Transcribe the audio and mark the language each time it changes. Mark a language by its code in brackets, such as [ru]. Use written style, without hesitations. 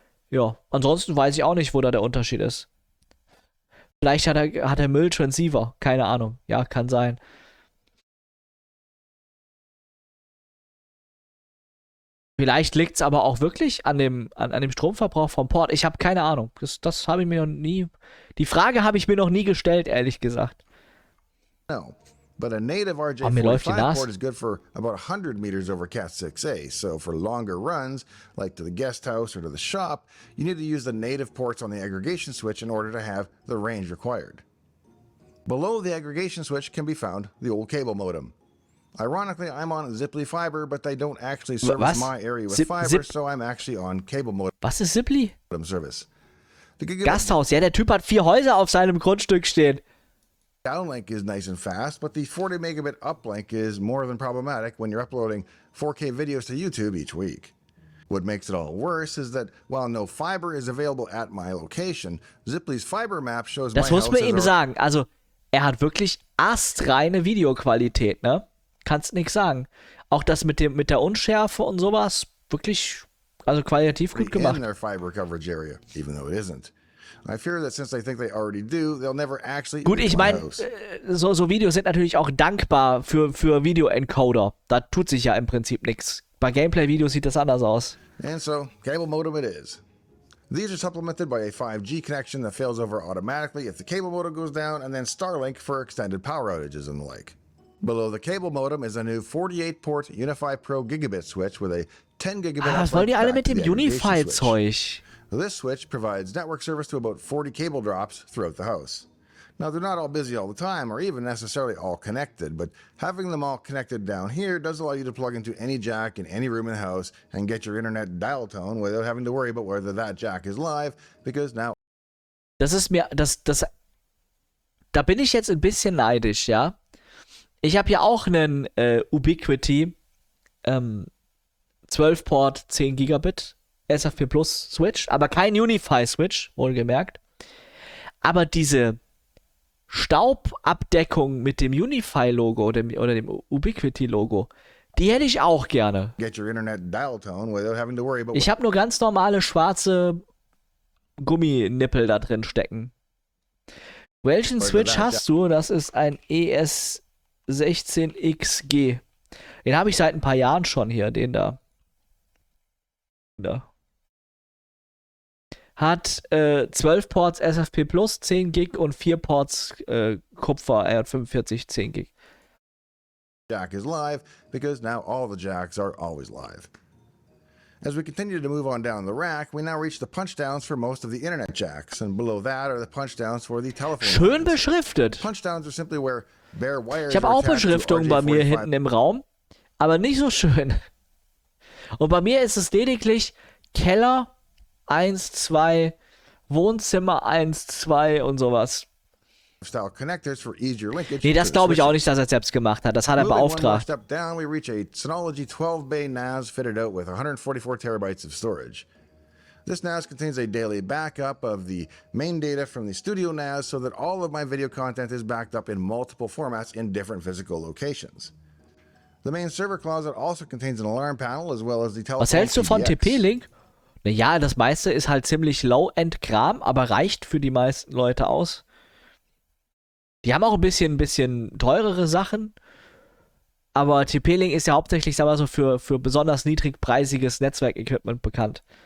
[de] Ja, ansonsten weiß ich auch nicht, wo da der Unterschied ist. Vielleicht hat er Mülltransceiver, keine Ahnung. Ja, kann sein. Vielleicht liegt es aber auch wirklich an dem Stromverbrauch vom Port. Ich habe keine Ahnung. Das habe ich mir noch nie. Die Frage habe ich mir noch nie gestellt, ehrlich gesagt. [en] No. But a native RJ45 port is good for about 100 meters over Cat6A, so for longer runs, like to the guest house or to the shop, you need to use the native ports on the aggregation switch in order to have the range required. Below the aggregation switch can be found the old cable modem. Ironically, I'm on Ziply fiber, but they don't actually service my area with fiber, so I'm actually on cable modem. [de] Was ist Ziply? [en] Modem service. [de] Gasthaus, ja, der Typ hat vier Häuser auf seinem Grundstück stehen. [en] Downlink is nice and fast, but the 40 megabit uplink is more than problematic when you're uploading 4K videos to YouTube each week. What makes it all worse is that while no fiber is available at my location, Ziply's fiber map shows [de] das [en] my house. [de] Das muss man ihm sagen. Also, er hat wirklich astreine Videoqualität, ne? Kannst nichts sagen. Auch das mit der Unschärfe und sowas, wirklich, also qualitativ gut gemacht. [en] In their fiber coverage area, even though it isn't. I fear that since they think they already do, they'll never actually. [de] Gut, ich meine, so Videos sind natürlich auch dankbar für Video-Encoder. Da tut sich ja im Prinzip nichts. Bei Gameplay-Videos sieht das anders aus. [en] And so, cable modem it is. These are supplemented by a 5G connection that fails over automatically if the cable modem goes down, and then Starlink for extended power outages and the like. Below the cable modem is a new 48-port UniFi Pro gigabit switch with a 10 gigabit. [de] Was wollen die alle mit dem UniFi-Zeug? [en] This switch provides network service to about 40 cable drops throughout the house. Now, they're not all busy all the time or even necessarily all connected, but having them all connected down here does allow you to plug into any jack in any room in the house and get your internet dial tone without having to worry about whether that jack is live, because now... [de] Das ist mir... Das da bin ich jetzt ein bisschen neidisch, ja? Ich habe hier auch einen Ubiquiti 12-Port, 10 Gigabit, SFP Plus Switch, aber kein Unify Switch, wohlgemerkt. Aber diese Staubabdeckung mit dem Unify-Logo oder dem Ubiquiti-Logo, die hätte ich auch gerne. [en] Get your internet dial tone without having to worry about... [de] Ich habe nur ganz normale schwarze Gumminippel da drin stecken. Welchen Switch hast du? Das ist ein ES16XG. Den habe ich seit ein paar Jahren schon hier, den da. Hat 12 Ports SFP Plus, 10 Gig und 4 Ports Kupfer, R45, 10 Gig. [en] Jack is live, because now all the jacks are always live. As we continue to move on down the rack, we now reach the punchdowns for most of the internet jacks, and below that are the punchdowns for the telephone. [de] Schön lines. Beschriftet. [en] Punchdowns are simply where bare wires. [de] Ich habe auch Beschriftungen bei mir hinten im Raum, aber nicht so schön. Und bei mir ist es lediglich Keller 1, 2, Wohnzimmer 1, 2 und sowas. [en] Style connectors for easier linkage. [de] Nee, das glaube ich auch nicht, dass er es selbst gemacht hat. Das hat er beauftragt. [en] Step down, we reach a Synology 12 bay NAS fitted out with 144 terabytes of storage. This NAS contains a daily backup of the main data from the studio NAS so that all of my video content is backed up in multiple formats in different physical locations. The main server closet also contains an alarm panel as well as the telephone. [de] Was hältst du von TP-Link? Naja, das meiste ist halt ziemlich low-end Kram, aber reicht für die meisten Leute aus. Die haben auch ein bisschen teurere Sachen. Aber TP-Link ist ja hauptsächlich, sagen wir mal so, für besonders niedrigpreisiges Netzwerkequipment bekannt.